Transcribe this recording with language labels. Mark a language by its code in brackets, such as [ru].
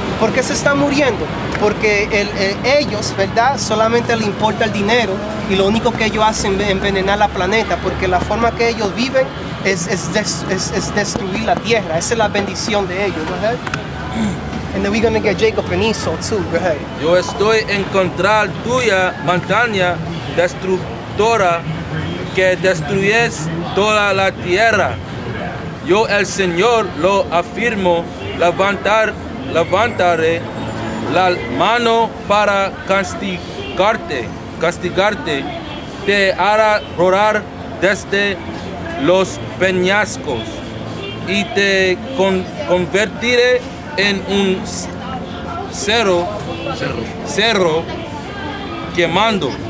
[es] ¿Por qué se están muriendo? Porque ellos, ¿verdad? Solamente les importa el dinero y lo único que ellos hacen es envenenar la planeta, porque la forma que ellos viven es destruir la tierra. Esa es la bendición de ellos. [en] Go ahead. And then we're going to get Jacob and Esau too. Go ahead. [es] Yo estoy en contra tuya, montaña destructora, que destruyes toda la tierra. Yo, el Señor, lo afirmo, levantaré la mano para castigarte, te hará rodar desde los peñascos y te convertiré en un cerro quemando.